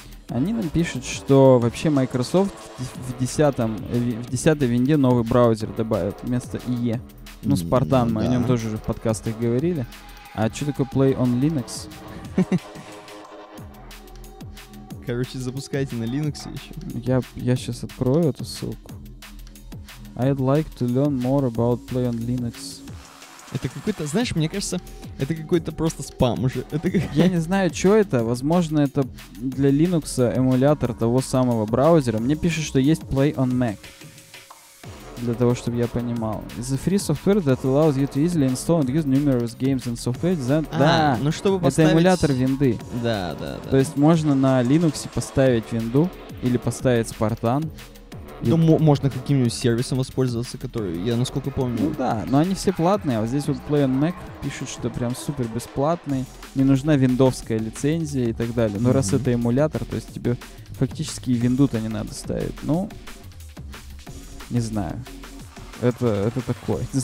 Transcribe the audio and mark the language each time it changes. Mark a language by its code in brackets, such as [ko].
[ru] Они нам пишут, что вообще Microsoft в 10-й винде новый браузер добавит вместо IE. Ну, Спартан, ну, мы да. о нем тоже уже в подкастах говорили. А что такое Play on Linux? Короче, запускайте на Linux еще. Я сейчас открою эту ссылку. [en] I'd like to learn more about Play on Linux. [ru] Это какой-то, знаешь, мне кажется, это какой-то просто спам уже. Я не знаю, что это. Возможно, это для Linux эмулятор того самого браузера. Мне пишут, что есть Play on Mac. Для того, чтобы я понимал. [en] It's a free software that allows you to easily install and use numerous games and software. Then, [ru] а, да, ну, чтобы поставить... это эмулятор винды. Да, да, да. То есть можно на Linux поставить винду или поставить Spartan. И... ну, можно каким-нибудь сервисом воспользоваться, который, я насколько помню... Ну да, но они все платные. А вот здесь вот Play on Mac пишут, что прям супер бесплатный. Не нужна виндовская лицензия и так далее. Но раз это эмулятор, то есть тебе фактически и винду-то не надо ставить. Ну... не знаю. Это такое.